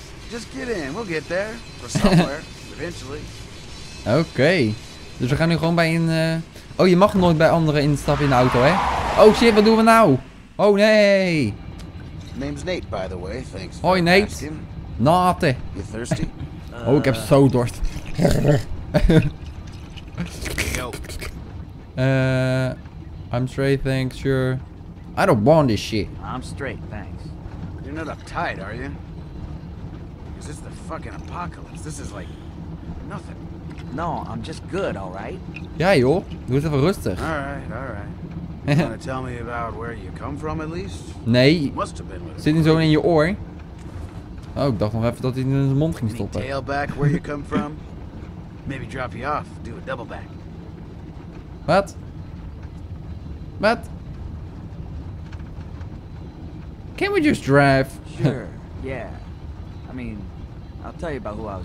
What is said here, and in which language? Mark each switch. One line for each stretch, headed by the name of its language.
English: Just get in, we'll get there. Or somewhere, eventually. Okay.
Dutch: Dus we gaan nu gewoon bij een... Oh, je mag nooit bij anderen instappen in de auto, hè? Oh shit, wat doen we nou? Oh nee.
English: Name's Nate, by the way. Thanks.
Dutch: Hoi, Nate. Nate.
English: You thirsty?
Dutch: Oh, ik heb zo dorst.
English: I'm straight, thanks, sure. I don't want this shit. I'm straight, thanks. You're not uptight, are you? Is this the fucking apocalypse? This is like nothing. No, I'm just good, alright?
Dutch: Ja, joh. Doe het even rustig.
English: Alright, alright. You wanna tell me about where you come from, at least?
Dutch: Nee.
English: Must have been with
Dutch: zit niet zo in je oor. Oh, ik dacht nog even dat hij in zijn mond ging stoppen.
English: Tail back where you come from? Maybe drop you off, do a double back.
Dutch: Wat? Wat?
English: Can we just drive? Sure, yeah. I mean, I'll tell you about who I was.